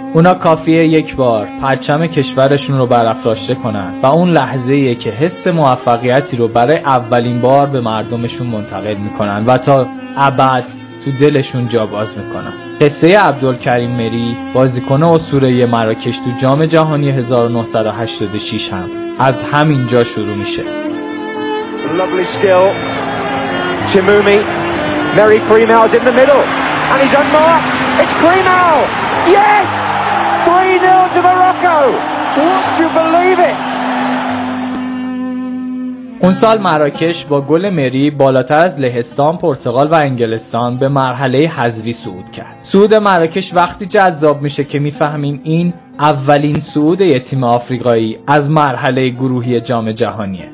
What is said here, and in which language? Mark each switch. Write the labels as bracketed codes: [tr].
[fa] اونا کافیه یک بار پرچم کشورشون رو برافراشته کنن و اون لحظه ایه که حس موفقیتی رو برای اولین بار به مردمشون منتقل میکنن و تا ابد تو دلشون جا باز میکنن. قصه عبدالکریم مری، بازیکن اسطوره مراکش تو جام جهانی 1986 هم از همین جا شروع میشه. [en] Lovely skill, Chimumi, Mary Creamell's in the middle, and he's unmarked, it's Creamell, yes, 3-0 to Morocco, won't you believe it? [fa] اون سال مراکش با گل مری بالاتر از لهستان، پرتغال و انگلستان به مرحله حذفی صعود کرد. صعود مراکش وقتی جذاب میشه که میفهمیم این اولین صعود یه تیم آفریقایی از مرحله گروهی جام جهانیه.